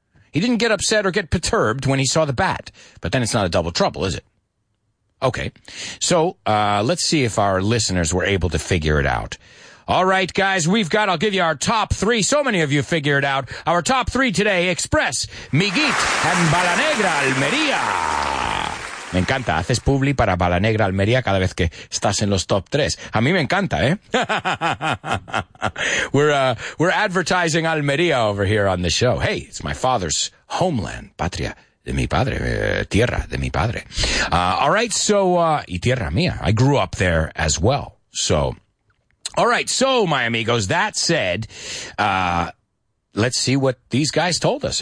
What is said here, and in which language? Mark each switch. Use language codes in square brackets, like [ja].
[en] He didn't get upset or get perturbed when he saw the bat. But then it's not a double trouble, is it? Okay, so let's see if our listeners were able to figure it out. All right, guys, we've got, I'll give you our top three. So many of you figured out our top three today. Express, Miguit, and Balanegra Almería. Me encanta. [es] Haces publi para Balanegra Almería cada vez que estás en los top tres. A mí me encanta, eh? [en] We're advertising Almería over here on the show. Hey, it's my father's homeland, patria de mi padre, tierra de mi padre. All right, so, y tierra mía. I grew up there as well, so... All right, so, my amigos, that said, let's see what these guys told us.